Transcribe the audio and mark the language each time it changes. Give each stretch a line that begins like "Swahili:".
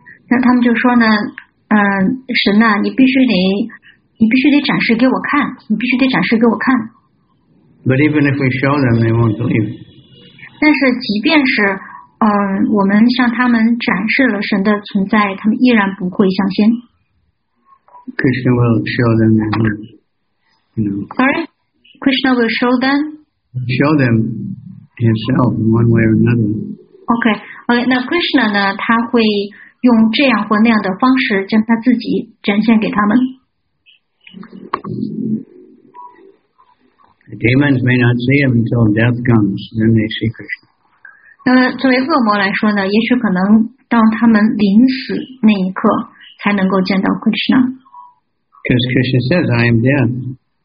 Chinese: 那他们就说呢，神呐、啊，你必须得展示给我看，你必须得展示给我看。
English: But even if we show them, they won't believe.
Chinese: 但是即便是我们向他们展示了神的存在，他们依然不会相信。
English: Krishna will show them. Sorry, Krishna will show them. Show them himself in one way or another.
Chinese: Okay. 那 Krishna 呢？他会用这样或那样的方式将他自己展现给他们。
English: The demons may not see him until death comes. Then they see Krishna.
Chinese: 作为恶魔来说呢，也许可能当他们临死那一刻才能够见到 Krishna。
English: Because Krishna says, "I am death."